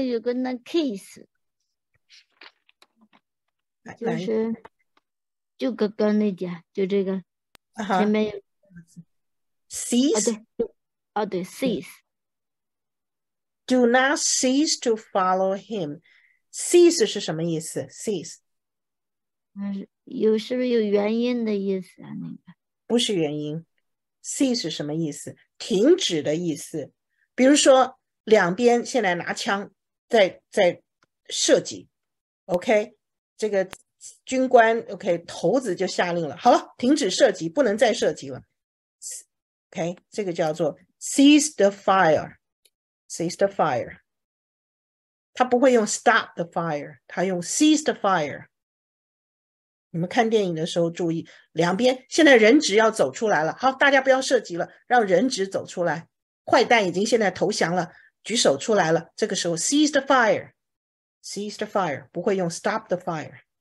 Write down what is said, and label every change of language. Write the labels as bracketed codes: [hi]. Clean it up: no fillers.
[zh] 老师，刚刚有个那 kiss， 就是就刚刚那点，就这个、前面有 [en] cease。 [zh] 啊，对 ，cease。 [en] Do not cease to follow him. [zh] Cease 是什么意思 ？Cease。有是不是有原因的意思啊？那个不是原因 ，cease 是什么意思？停止的意思。比如说，两边现在拿枪在射击 ，OK， 这个军官 OK 头子就下令了，好了，停止射击，不能再射击了。 [en] OK， [zh] 这个叫做 [en] cease the fire，cease the fire。 [zh] 他不会用 [en] stop the fire， [zh] 他用 [en] cease the fire。 [zh] 你们看电影的时候注意，两边现在人质要走出来了，好，大家不要射击了，让人质走出来，坏蛋已经现在投降了，举手出来了，这个时候 [en] cease the fire， [zh] cease the fire， 不会用 [en] stop the fire，